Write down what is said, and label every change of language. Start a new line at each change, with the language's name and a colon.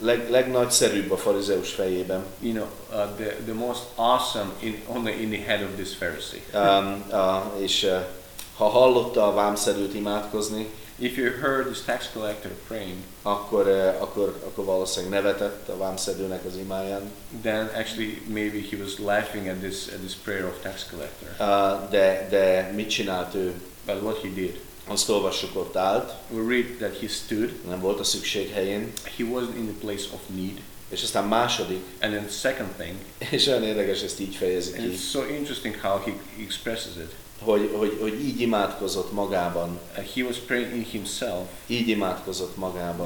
Hungarian: Legnagyszerűbb a farizeus fejében.
English: You know, the most awesome in the head of this Pharisee.
Hungarian: Ha hallotta a vámszedőt imádkozni,
English: if you heard this tax collector praying,
Hungarian: akkor valószínűleg nevetett a vámszedőnek az imáján.
English: Then actually maybe he was laughing at this prayer of tax collector.
Hungarian: De mit csinált ő?
English: But what he did?
Hungarian: Azt olvassuk, ott állt.
English: We read that he stood.
Hungarian: Nem volt a szükség helyén.
English: He wasn't in the place of need.
Hungarian: És aztán második.
English: And then second thing.
Hungarian: És olyan érdekes, ezt így fejezik ki.
English: And it's so interesting how he expresses it.
Hungarian: Hogy így imádkozott magában.
English: He was praying in himself.
Hungarian: Így imádkozott magában.